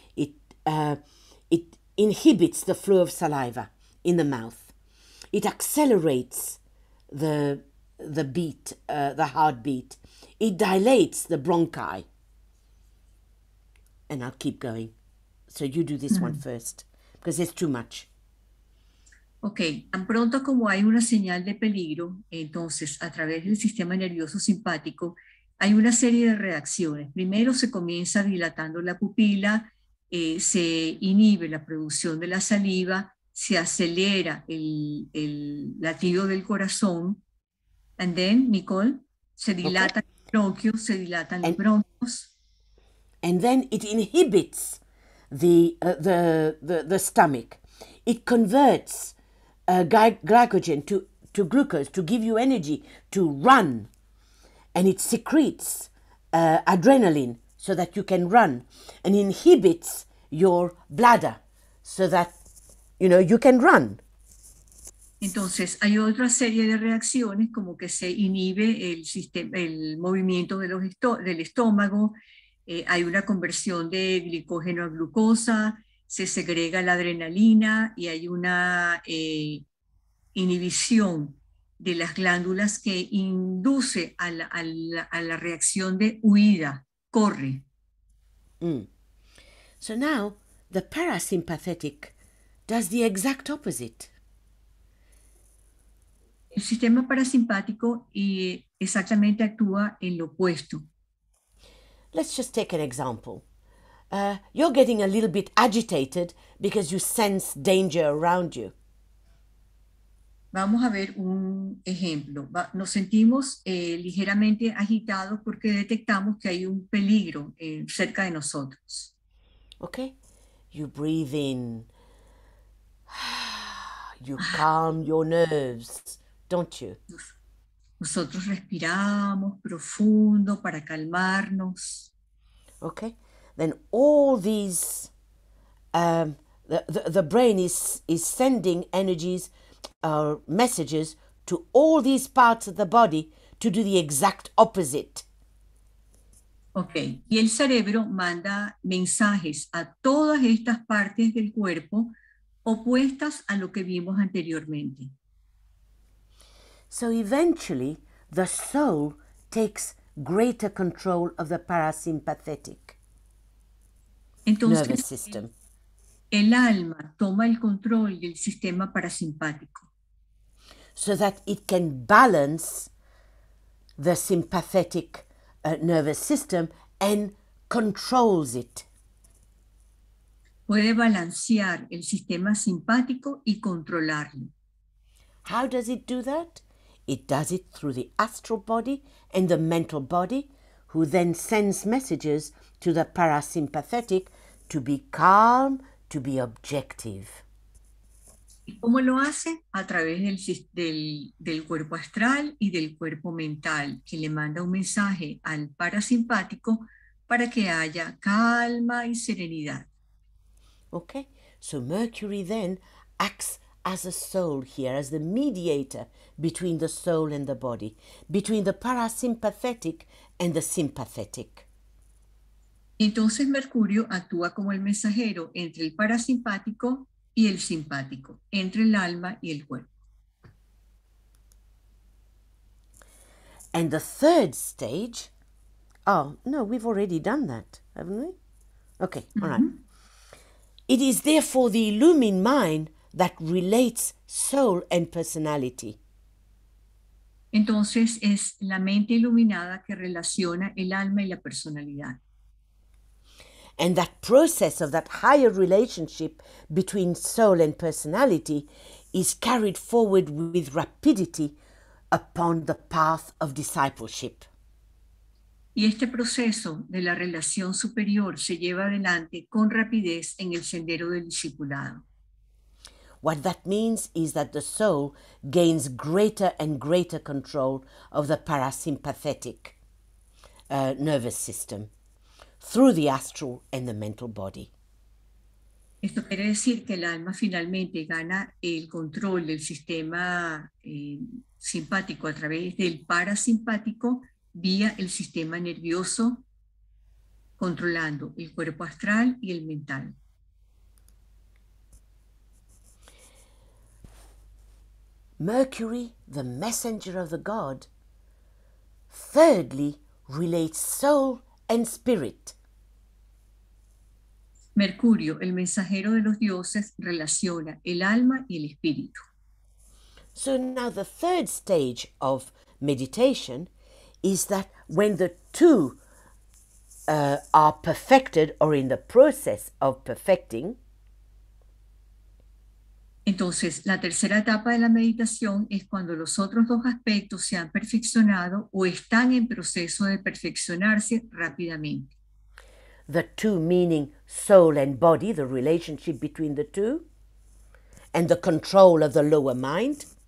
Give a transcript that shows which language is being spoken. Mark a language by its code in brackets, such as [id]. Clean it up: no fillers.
[en] It inhibits the flow of saliva in the mouth. It accelerates the heartbeat. It dilates the bronchi. And I'll keep going. So you do this one first, because it's too much. [es] Okay, tan pronto como hay una señal de peligro, entonces a través del sistema nervioso simpático, hay una serie de reacciones. Primero se comienza dilatando la pupila, se inhibe la producción de la saliva, se acelera el latido del corazón. [en] And then, [es] Nicole, se dilata okay. El bronquio, se dilatan los bronquios. [en] And then it inhibits the stomach. It converts glycogen to glucose to give you energy to run. And it secretes adrenaline so that you can run. And inhibits your bladder so that, you know, you can run. [es] Entonces, hay otra serie de reacciones, como que se inhibe el sistema, el movimiento del estómago, Hay una conversión de glicógeno a glucosa, se segrega la adrenalina y hay una inhibición de las glándulas que induce a la reacción de huida, corre. [en] So now the parasympathetic does the exact opposite. [es] El sistema parasimpático exactamente actúa en lo opuesto. [en] Let's just take an example. You're getting a little bit agitated because you sense danger around you. [es] Vamos a ver un ejemplo. Nos sentimos ligeramente agitados porque detectamos que hay un peligro cerca de nosotros. [en] Okay, you breathe in, you calm your nerves, don't you? [es] Nosotros respiramos profundo para calmarnos. [en] Okay, then all these, the brain is sending energies, messages to all these parts of the body to do the exact opposite. [es] Ok, y el cerebro manda mensajes a todas estas partes del cuerpo opuestas a lo que vimos anteriormente. [en] So eventually, the soul takes greater control of the parasympathetic [es] Entonces, [en] nervous system. [es] el alma toma el control del sistema parasimpático. [en] So that it can balance the sympathetic nervous system and controls it. [es] Puede balancear el sistema simpático y controlarlo. [en] How does it do that? It does it through the astral body and the mental body, who then sends messages to the parasympathetic to be calm, to be objective. [es] ¿Cómo lo hace? A través del cuerpo astral y del cuerpo mental, que le manda un mensaje al parasimpático para que haya calma y serenidad. [en] Okay, so Mercury then acts as a soul here, as the mediator between the soul and the body, between the parasympathetic and the sympathetic. [es] Entonces Mercurio actúa como el mensajero entre el parasimpático y el simpático, entre el alma y el cuerpo. [en] And the third stage, oh no, we've already done that, haven't we? Okay, all right. It is therefore the illumined mind that relates soul and personality. [es] Entonces es la mente iluminada que relaciona el alma y la personalidad. [en] And that process of that higher relationship between soul and personality is carried forward with rapidity upon the path of discipleship. [es] Y este proceso de la relación superior se lleva adelante con rapidez en el sendero del discipulado. [en] What that means is that the soul gains greater and greater control of the parasympathetic nervous system through the astral and the mental body. [es] Esto quiere decir que el alma finalmente gana el control del sistema simpático a través del parasimpático vía el sistema nervioso, controlando el cuerpo astral y el mental. [en] Mercury, the messenger of the god, thirdly relates soul and spirit. [es] Mercurio, el mensajero de los dioses, relaciona el alma y el espíritu. [en] So now the third stage of meditation is that when the two are perfected or in the process of perfecting, [es] Entonces, la tercera etapa de la meditación es cuando los otros dos aspectos se han perfeccionado o están en proceso de perfeccionarse rápidamente. [en] the two meaning soul and body, the relationship between the two, and the control of the lower mind.